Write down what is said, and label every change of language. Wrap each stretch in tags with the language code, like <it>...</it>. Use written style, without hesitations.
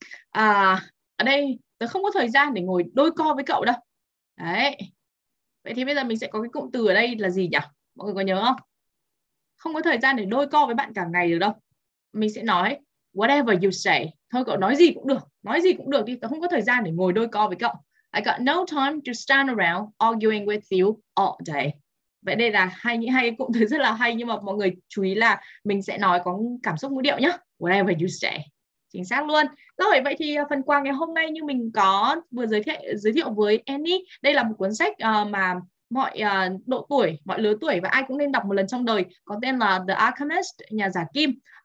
<vi>Ở đây, tôi không có thời gian để ngồi đôi co với cậu đâu. Đấy. Vậy thì bây giờ mình sẽ có cái cụm từ ở đây là gì nhỉ? Mọi người có nhớ không? Không có thời gian để đôi co với bạn cả ngày được đâu. Mình sẽ nói</vi> <en>whatever you say.</en> <vi>Thôi cậu nói gì cũng được. Nói gì cũng được đi. Tớ không có thời gian để ngồi đôi co với cậu.</vi> <en>I got no time to stand around arguing with you all day.</en> <vi>Vậy đây là hai cụm từ rất là hay. Nhưng mà mọi người chú ý là mình sẽ nói có cảm xúc ngữ điệu nhá.</vi> <en>Whatever you say.</en> <vi>Chính xác luôn. Rồi, vậy thì phần quà ngày hôm nay như mình có vừa giới thiệu với Annie, đây là một cuốn sách mà mọi độ tuổi, mọi lứa tuổi và ai cũng nên đọc một lần trong đời, có tên là The Alchemist, nhà giả kim.</vi>